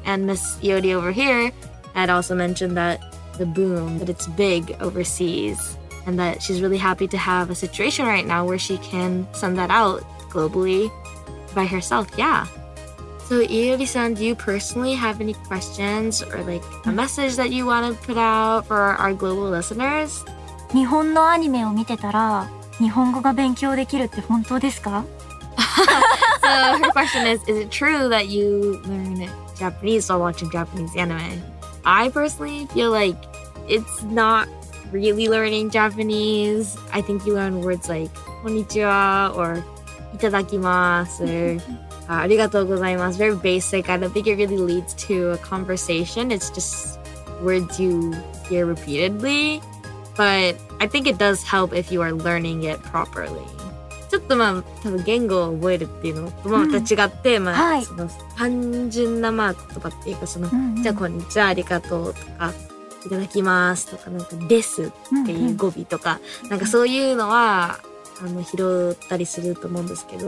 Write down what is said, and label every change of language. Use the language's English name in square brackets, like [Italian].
[English] And Miss Yodi over here had also mentioned that the boom, that it's big overseas, and that she's really happy to have a situation right now where she can send that out globally by herself. Yeah. So Yodi-san, do you personally have any questions or like a message that you want to put out for our global listeners? [Japanese] 日本のアニメを見てたら日本語が勉強できるって本当ですか? [English] So her question is it true that you learn Japanese while watching Japanese anime? I personally feel like it's not really learning Japanese. I think you learn words like konnichiwa or itadakimasu or arigatou gozaimasu. Very basic. I don't think it really leads to a conversation. It's just words you hear repeatedly. But I think it does help if you are learning it properly. [Japanese] ちょっとまあ多分言語を覚えるっていうのとまた違って、うん、まあ、はい、その単純なまあ言葉っていうかその、うんうん、じゃあこんにちはありがとうとかいただきますとかなんかですっていう語尾とか、うんうん、なんかそういうのはあの拾ったりすると思うんですけど、